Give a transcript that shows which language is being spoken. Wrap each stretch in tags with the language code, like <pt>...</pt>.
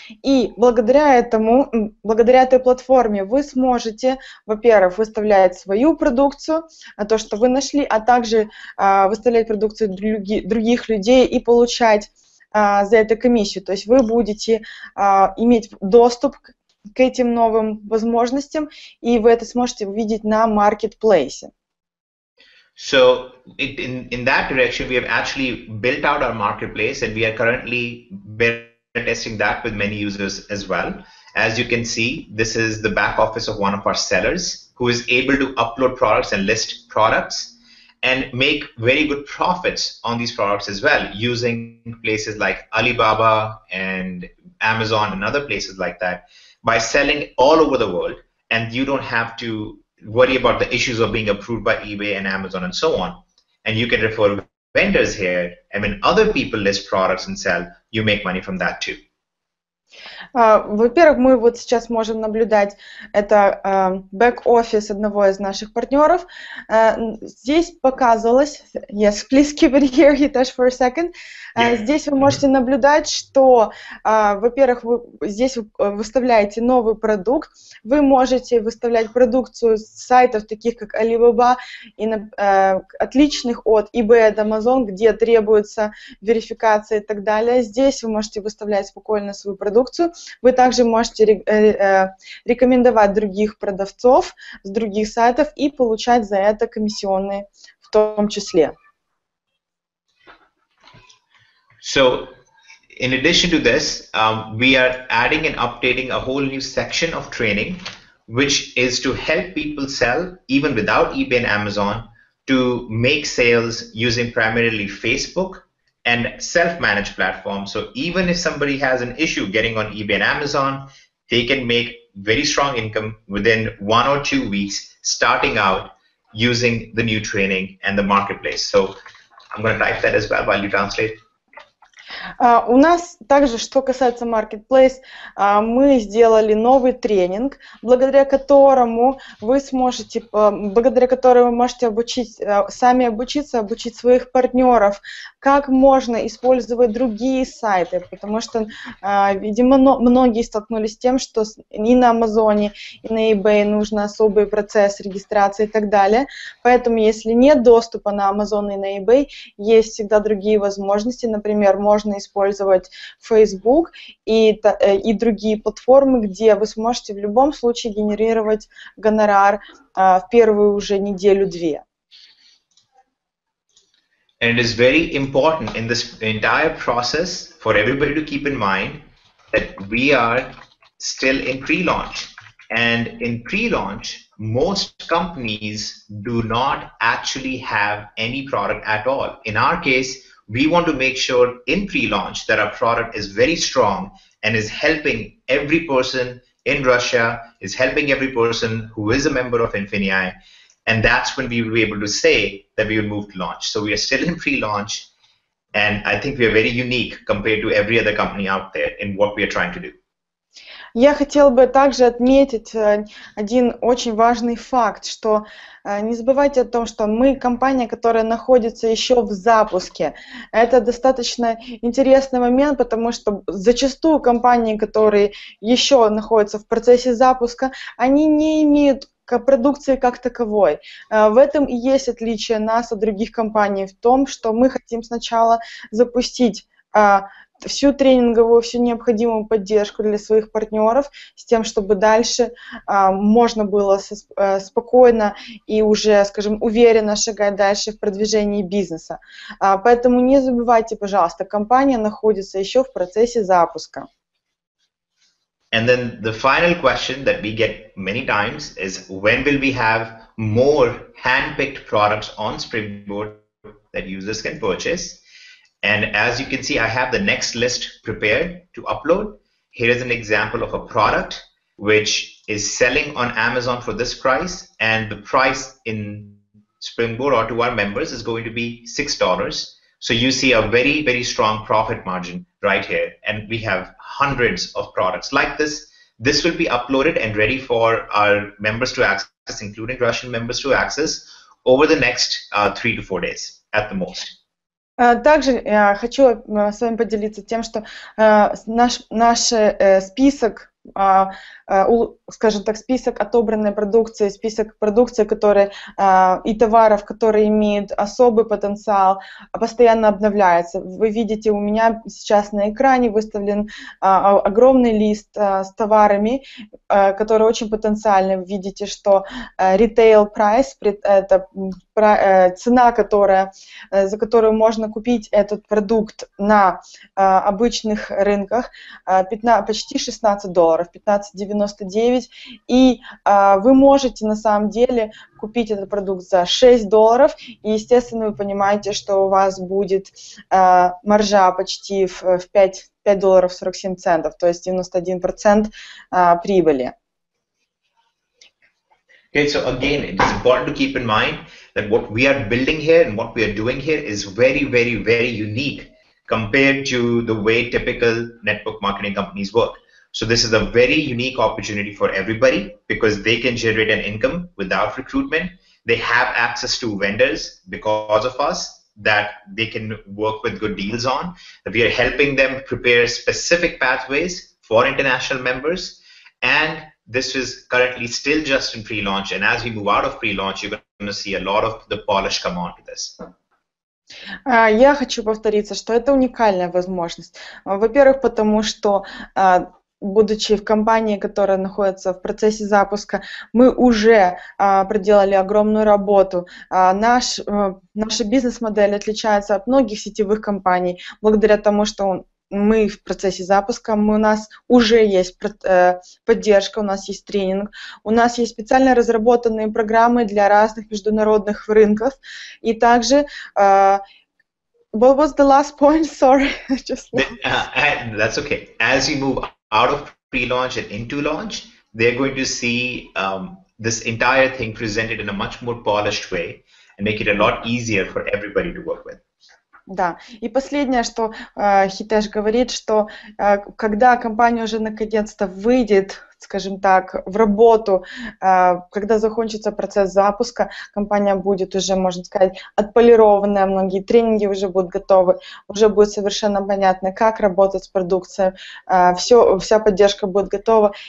<ru>И благодаря этому, благодаря этой платформе, вы сможете, во-первых, выставлять свою продукцию, то, что вы нашли, а также выставлять продукцию других людей и получать за это комиссию. То есть вы будете иметь доступ к этим новым возможностям, и вы это сможете увидеть на Marketplace.</ru> <en>So in that direction, we have actually built out our marketplace, and we are currently beta testing that with many users as well. As you can see, this is the back office of one of our sellers who is able to upload products and list products and make very good profits on these products as well, using places like Alibaba and Amazon and other places like that, by selling all over the world. And you don't have to worry about the issues of being approved by eBay and Amazon and so on. And you can refer vendors here. And when other people list products and sell, you make money from that too.</en> <ru>Во-первых, мы вот сейчас можем наблюдать, это бэк-офис одного из наших партнеров. Здесь показывалось,</ru> <en>yes, please keep it here, Hitesh, for a second.</en> <ru>Здесь вы можете наблюдать, что, во-первых, здесь вы выставляете новый продукт, вы можете выставлять продукцию с сайтов, таких как Alibaba, и отличных от eBay, от Amazon, где требуется верификация и так далее. Здесь вы можете выставлять спокойно свою продукцию. Вы также можете рекомендовать других продавцов с других сайтов и получать за это комиссионные в том числе.</ru> <en>So, in addition to this, we are adding and updating a whole new section of training, which is to help people sell even without eBay and Amazon, to make sales using primarily Facebook and self-managed platforms. So, even if somebody has an issue getting on eBay and Amazon, they can make very strong income within 1 or 2 weeks starting out using the new training and the marketplace. So, I'm going to type that as well while you translate.</en> <ru>У нас также, что касается Marketplace, мы сделали новый тренинг, благодаря которому вы можете сами обучиться, обучить своих партнеров, как можно использовать другие сайты, потому что, видимо, многие столкнулись с тем, что и на Амазоне, и на eBay нужно особый процесс регистрации и так далее. Поэтому, если нет доступа на Amazon и на eBay, есть всегда другие возможности. Например, можно использовать Facebook и другие платформы, где вы сможете в любом случае генерировать гонорар, в первую уже неделю-две.</ru> <en>And it is very important in this entire process for everybody to keep in mind that we are still in pre-launch. And in pre-launch, most companies do not actually have any product at all. In our case, we want to make sure in pre-launch that our product is very strong and is helping every person in Russia, is helping every person who is a member of Infinii. And that's when we will be able to say that we will move to launch. So we are still in pre-launch, and I think we are very unique compared to every other company out there in what we are trying to do.</en> <ru>Я хотела бы также отметить один очень важный факт, что не забывайте о том, что мы компания, которая находится еще в запуске. Это достаточно интересный момент, потому что зачастую компании, которые еще находятся в процессе запуска, они не имеют к продукции как таковой. В этом и есть отличие нас от других компаний, в том, что мы хотим сначала запустить всю тренинговую, всю необходимую поддержку для своих партнеров, с тем, чтобы дальше можно было спокойно и уже, скажем, уверенно шагать дальше в продвижении бизнеса. Поэтому не забывайте, пожалуйста, компания находится еще в процессе запуска.</ru> <en>And then the final question that we get many times is when will we have more hand-picked products on Springboard that users can purchase? And as you can see, I have the next list prepared to upload. Here is an example of a product which is selling on Amazon for this price, and the price in Springboard or to our members is going to be $6. So you see a very, very strong profit margin right here. And we have hundreds of products like this. This will be uploaded and ready for our members to access, including Russian members to access, over the next 3 to 4 days at the most.</en> <ru>Также я хочу с вами поделиться тем, что наш список, скажем так, список отобранной продукции, список продукции, которые и товаров, которые имеют особый потенциал, постоянно обновляется. Вы видите, у меня сейчас на экране выставлен огромный лист с товарами, которые очень потенциальны. Вы видите, что retail price, это цена, за которую можно купить этот продукт на обычных рынках, почти $16, $15.99, и вы можете на самом деле купить этот продукт за $6, и, естественно, вы понимаете, что у вас будет маржа почти в $5.47, то есть 91% прибыли.</ru> <en>Okay, so again, it's important to keep in mind that what we are building here and what we are doing here is very, very, very unique compared to the way typical network marketing companies work. So this is a very unique opportunity for everybody because they can generate an income without recruitment. They have access to vendors because of us that they can work with good deals on. We are helping them prepare specific pathways for international members, and this is currently still just in pre-launch, and as we move out of pre-launch, you're going to see a lot of the polish come on to this.</en> <ru>Я хочу повториться, что это уникальная возможность. Во-первых, потому что будучи в компании, которая находится в процессе запуска, мы уже проделали огромную работу. Наша бизнес-модель отличается от многих сетевых компаний благодаря тому, что мы в процессе запуска, у нас уже есть поддержка, у нас есть тренинг, у нас есть специально разработанные программы для разных международных рынков, и также</ru> <en>what was the last point? Sorry, just lost. That's okay. As we move out of pre-launch and into launch, they're going to see this entire thing presented in a much more polished way and make it a lot easier for everybody to work with.</en> <ru>Да. И последнее, что Хитеш говорит, что когда компания уже наконец-то выйдет, скажем так, в работу, когда закончится процесс запуска, компания будет уже, можно сказать, отполированная, многие тренинги уже будут готовы, уже будет совершенно понятно, как работать с продукцией, вся поддержка будет готова.</ru>